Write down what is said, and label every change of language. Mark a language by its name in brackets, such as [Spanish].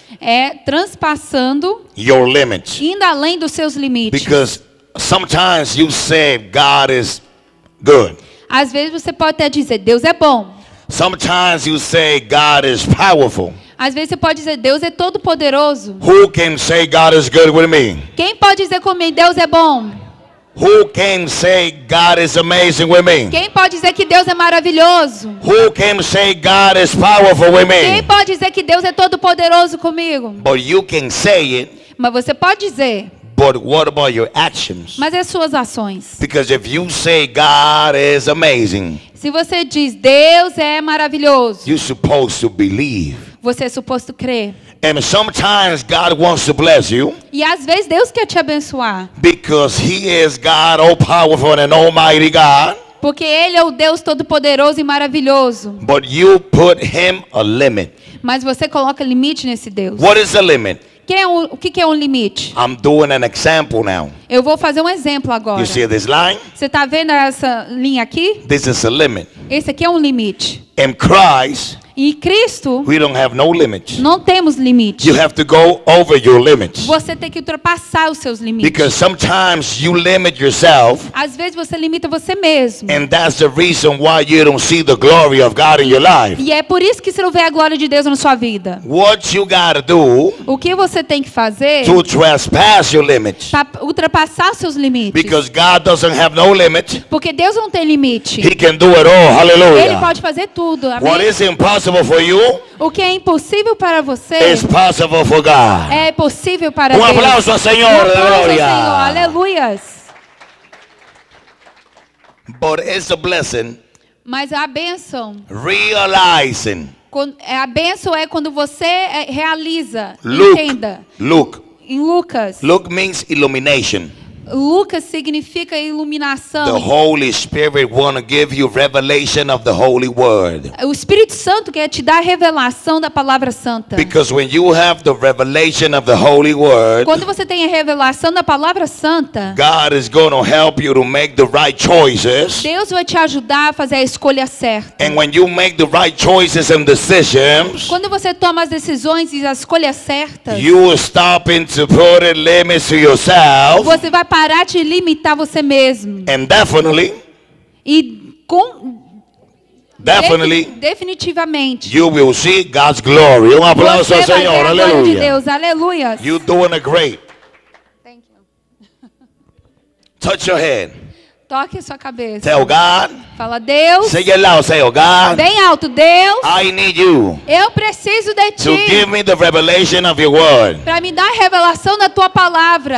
[Portuguese] É transpassando. [English] Your limits. [Portuguese] Indo além dos seus limites. [English] Because sometimes you say God is good. [Portuguese] Às vezes você pode até dizer Deus é bom. [English] Sometimes you say God is powerful. [Portuguese] Às vezes você pode dizer, Deus é todo poderoso. [English] Who can say God is good with me? [Portuguese] Quem pode dizer comigo, Deus é bom? [English] Who can say God is amazing with me? [Portuguese] Quem pode dizer que Deus é maravilhoso? [English] Who can say God is powerful with me? [Portuguese] Quem pode dizer que Deus é todo poderoso comigo? [English] But you can say it. [Portuguese] Mas você pode dizer. [English] But what about your actions? [Portuguese] Mas as suas ações. [English] Because if you say God is amazing. [Portuguese] Se você diz Deus é maravilhoso. [English] You're supposed to believe. [Portuguese] Você é suposto crer. [English] And sometimes God wants to bless you. [Portuguese] E às vezes Deus quer te abençoar. [English] Because he is God, all powerful and almighty God. [Portuguese] Porque ele é o Deus todo poderoso e maravilhoso. [English] But you put him a limit. [Portuguese] Mas você coloca limite nesse Deus. [English] What is the limit? [Portuguese] O que é um limite? [English] I'm doing an example now. [Portuguese] Eu vou fazer um exemplo agora. [English] You see this line? [Portuguese] Você está vendo essa linha aqui? [English] This is a limit. [Portuguese] Esse aqui é um limite. [English] In Christ. [Portuguese] Em Cristo. [English] We don't have no limits. [Portuguese] Não temos limite. [English] You have to go over your limits. [Portuguese] Você tem que ultrapassar os seus limites. [English] Because sometimes you limit yourself. [Portuguese] Às vezes você limita você mesmo. [English] And that's the reason why you don't see the glory of God in your life. [Portuguese] E é por isso que você não vê a glória de Deus na sua vida. [English] What you gotta do? [Portuguese] O que você tem que fazer? [English] To trespass your limits. [Portuguese] Para ultrapassar seus limites. [English] Because God doesn't have no limit. [Portuguese] Porque Deus não tem limite. [English] He can do it all. Hallelujah. [Portuguese] Ele pode fazer tudo. Amém? [English] What is impossible for you, [Portuguese] o que é impossível para você [English] is possible for God. [Portuguese] É possível para um Deus. Aplauso ao Senhor. Um aplauso, aleluia. Ao Senhor. Aleluias. [English] But it's a blessing. [Portuguese] Mas a bênção. [English] Realizing. [Portuguese] A bênção é quando você realiza. [English] Luke, [Portuguese] entenda. [English] Luke. [Portuguese] Em Lucas. [English] Luke means illumination. [Portuguese] Lucas significa iluminação. [English] The Holy Spirit want to give you revelation of the Holy Word. [Portuguese] O Espírito Santo quer te dar a revelação da palavra santa. [English] Because when you have the revelation of the Holy Word, [Portuguese] quando você tem a revelação da palavra santa, [English] God is going to help you to make the right choices. [Portuguese] Deus vai te ajudar a fazer a escolha certa. [English] And when you make the right choices and decisions, [Portuguese] quando você toma as decisões e as escolhas certas, [English] you are stopping to put a limit to yourself. [Portuguese] Você vai parar de limitar você mesmo. [English] And definitely, [Portuguese] e com [English] definitely, [Portuguese] definitivamente [English] you will see God's glory. [Portuguese] Um aplauso ao Senhor. Aleluia. De Deus. Aleluia. [English] You're doing a great. Thank you. Touch your head. [Portuguese] Toque a sua cabeça. [English] Tell God. [Portuguese] Fala Deus. [English] Say it loud, say, oh God. [Portuguese] Bem alto, Deus. [English] I need you. [Portuguese] Eu preciso de ti. [English] To give me the revelation of your word. [Portuguese] Para me dar a revelação da tua palavra.